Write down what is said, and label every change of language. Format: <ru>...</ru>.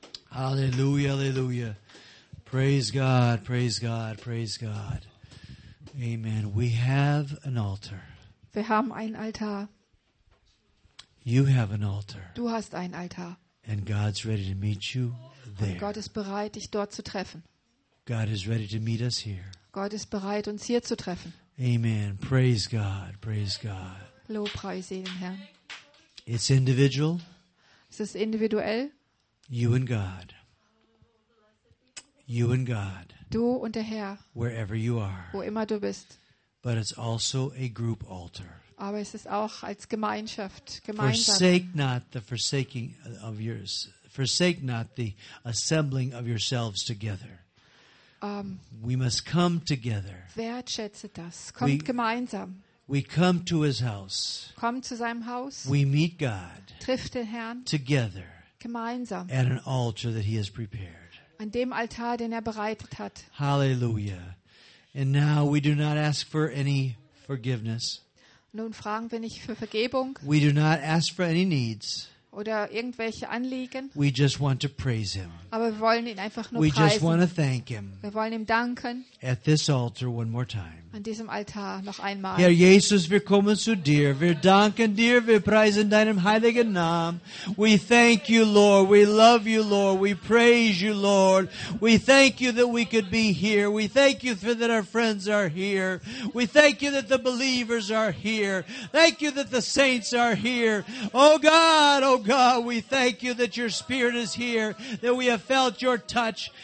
<en>Hallelujah, hallelujah. Praise God, praise God, praise God. Amen. We have an altar.</en> <de>Wir haben ein Altar.</de> <en>You have an altar.</en> <de>Du hast ein Altar.</de> <en>And God's ready to meet you.</en> <de>Und Gott ist bereit, dich dort zu treffen.</de> <en>God is ready to meet us here.</en> <de>Gott ist bereit, uns hier zu treffen.</de> <en>Amen. Praise God. Praise God.</en> <de>Lobpreise den Herrn.</de> <en>It's individual.</en> <de>Es ist individuell.</de> <en>You and God. You and God.</en> <de>Du und der Herr.</de> <en>Wherever you are.</en> <de>Wo immer du bist.</de> <en>But it's also a group altar.</en> <de>Aber es ist auch als Gemeinschaft,</de> <en>Forsake not the forsaking of yours. Forsake not the assembling of yourselves together. We must come together.</en> <de>Wertschätze das. Kommt gemeinsam.</de> <en>We come to his house.</en> <de>Kommt zu seinem Haus.</de> <en>We meet God.</en> <de>Trifft den Herrn.</de> <en>Together.</en> <de>Gemeinsam.</de> <en>At an altar that he has prepared.</en> <de>An dem Altar, den er bereitet hat.</de> <en>Hallelujah. And now we do not ask for any forgiveness.</en> <de>Nun fragen wir nicht für Vergebung.</de> <en>We do not ask for any needs.</en> <de>Oder irgendwelche Anliegen.</de> <en>We just want to praise him.</en> <de>Aber wir wollen ihn einfach nur</de> <en>we</en> <de>preisen.</de> <en>Just want to thank him.</en> <de>Wir wollen ihm danken.</de> <en>At this altar one more time.</en> <de>An diesem Altar noch einmal. Herr Jesus, wir kommen zu dir. Wir danken dir. Wir preisen deinem heiligen Namen.</de> <en>We thank you, Lord. We love you, Lord. We praise you, Lord. We thank you that we could be here. We thank you for that our friends are here. We thank you that the believers are here. Thank you that the saints are here. Oh God, we thank you that your Spirit is here, that we have felt your touch.</en>